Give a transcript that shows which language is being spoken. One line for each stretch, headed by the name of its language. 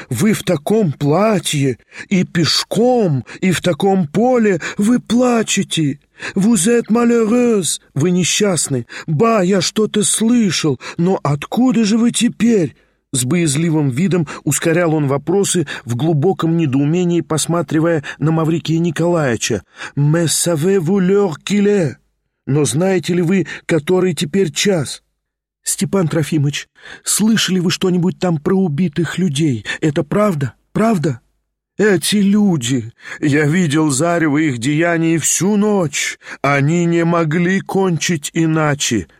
Russian: Вы в таком платье, и пешком, и в таком поле, вы плачете!
French: Vous êtes malheureuse!
Russian: Вы несчастны! Ба, я что-то слышал, но откуда же вы теперь?» С боязливым видом ускорял он вопросы, в глубоком недоумении посматривая на Маврикия Николаевича.
French: «Mais savez-vous l'heure qu'il est?»
Russian: «Но знаете ли вы, который теперь час?» «Степан Трофимович, слышали вы что-нибудь там про убитых людей? Это правда? Правда?» «Эти люди! Я видел зарево их деяний всю ночь. Они не могли кончить иначе».